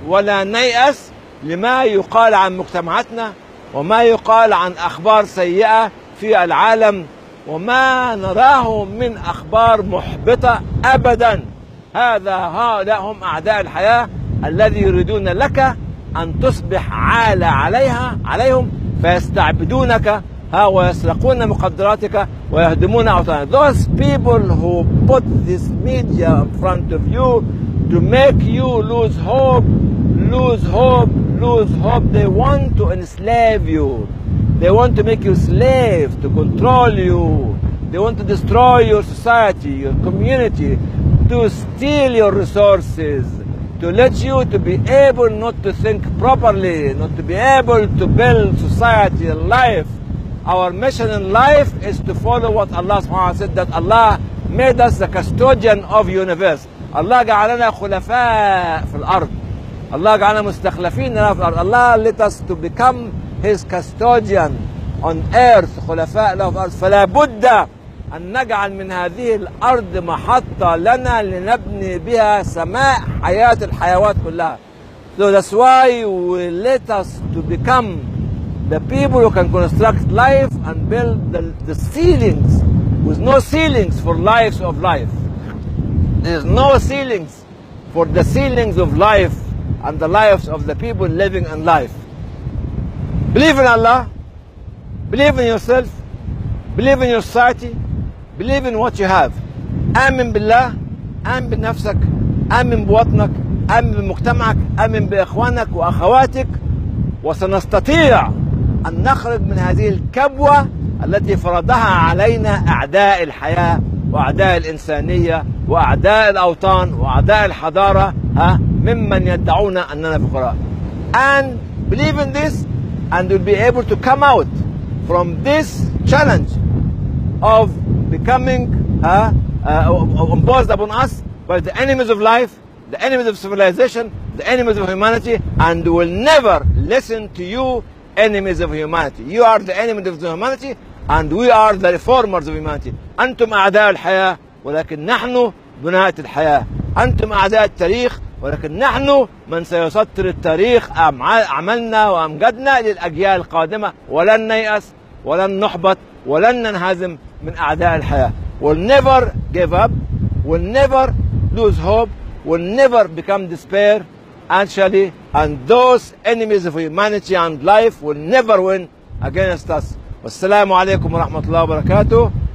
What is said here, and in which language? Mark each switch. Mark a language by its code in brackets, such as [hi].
[ar] ولا نيأس لما يقال عن مجتمعاتنا وما يقال عن أخبار سيئة في العالم وما نراه من أخبار محبطة أبدا. هذا هؤلاء هم أعداء الحياة الذي يريدون لك أن تصبح عالة عليهم فيستعبدونك ها ويسرقون مقدراتك ويهدمون أوطانك. [en] Those people who put this media in front of you to make you lose hope, lose hope, lose hope. They want to enslave you. They want to make you slave, to control you. They want to destroy your society, your community, to steal your resources, to let you to be able not to think properly, not to be able to build society and life. Our mission in life is to follow what Allah subhanahu wa ta'ala said, that Allah made us the custodian of universe. [ar] Allah جعلنا خلفاء في الأرض. Allah جعلنا مستخلفين في الأرض. [en] Allah let us to become His custodian on earth. [ar] خلفاء له في الأرض. فلا بد أن نجعل من هذه الأرض محطة لنا لنبني بها سماء حياة الحيوات كلها. [en] So that's why we let us to become the people who can construct life and build the ceilings with no ceilings for lives of life. There is no ceilings for the ceilings of life and the lives of the people living in life. Believe in Allah. Believe in yourself. Believe in your society. Believe in what you have. [ar] آمن بالله. آمن بنفسك. آمن بوطنك. آمن بمجتمعك. آمن بإخوانك وأخواتك. وسنستطيع أن نخرج من هذه الكبوة التي فرضها علينا أعداء الحياة وأعداء الإنسانية وأعداء الأوطان وأعداء الحضارة ممن يدعون أننا فقراء. [en] And believe in this and you'll be able to come out from this challenge of becoming imposed upon us by the enemies of life, the enemies of civilization, the enemies of humanity, and will never listen to you, enemies of humanity. You are the enemies of humanity and we are the reformers of humanity. [ar] أنتم أعداء الحياة ولكن نحن بناءة الحياة. أنتم أعداء التاريخ ولكن نحن من سيسطر التاريخ عملنا وأمجدنا للأجيال القادمة. ولن نيأس ولن نحبط ولن ننهزم من أعداء الحياة. [en] We'll never give up. We'll never lose hope. We'll never become despair. Actually, and those enemies of humanity and life will never win against us. [ar] والسلام عليكم ورحمة الله وبركاته.